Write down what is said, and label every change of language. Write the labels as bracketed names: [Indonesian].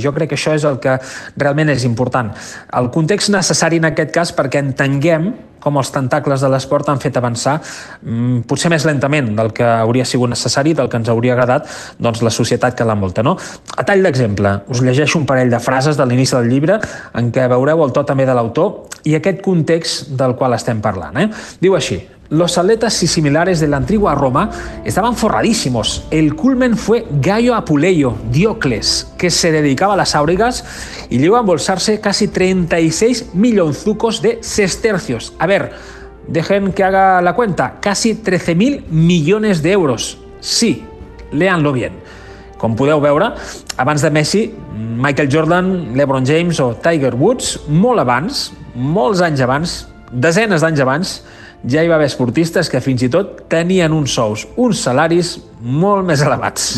[Catalan] Jo crec que això és el que realment és important. El context necessari, en aquest cas, perquè entenguem com els tentacles de l'esport han fet avançar, potser més lentament del que hauria sigut necessari, del que ens hauria agradat, doncs, la societat que l'envolta, no? A tall d'exemple, us llegeixo un parell de frases de l'inici del llibre en què veureu el to també de l'autor i aquest context del qual estem parlant. Diu així: [Spanish] Los atletas y similares de la antigua Roma estaban forradísimos. El culmen fue Gayo Apuleyo, Diocles, que se dedicaba a las áurigas y llegó a embolsarse casi 36 millonzucos de sestercios. A ver, dejen que haga la cuenta. Casi 13.000 millones de euros. Sí, léanlo bien. [Catalan] Com podeu veure, abans de Messi, Michael Jordan, LeBron James o Tiger Woods, molt abans, molts anys abans, desenes d'anys abans, ja hi va haver esportistes que fins i tot tenien uns sous, uns salaris molt més elevats.